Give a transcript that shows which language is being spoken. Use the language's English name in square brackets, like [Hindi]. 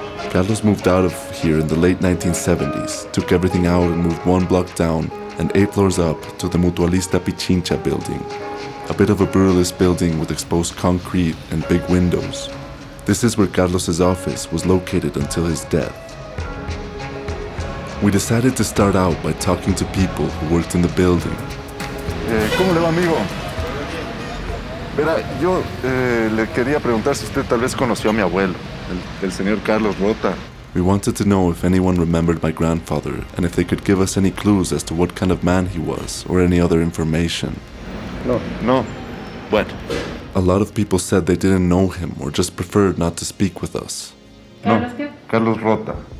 [English] Carlos moved out of here in the late 1970s, took everything out and moved one block down and eight floors up to the Mutualista Pichincha building, a bit of a brutalist building with exposed concrete and big windows. This is where Carlos's office was located until his death. We decided to start out by talking to people who worked in the building. [Spanish] ¿Cómo le va, amigo? Verá, yo le quería preguntar si usted tal vez conoció a mi abuelo, el señor Carlos Rota. [English] We wanted to know if anyone remembered my grandfather and if they could give us any clues as to what kind of man he was or any other information. No. What? A lot of people said they didn't know him or just preferred not to speak with us. [Spanish] No. ¿Qué? Carlos Rota.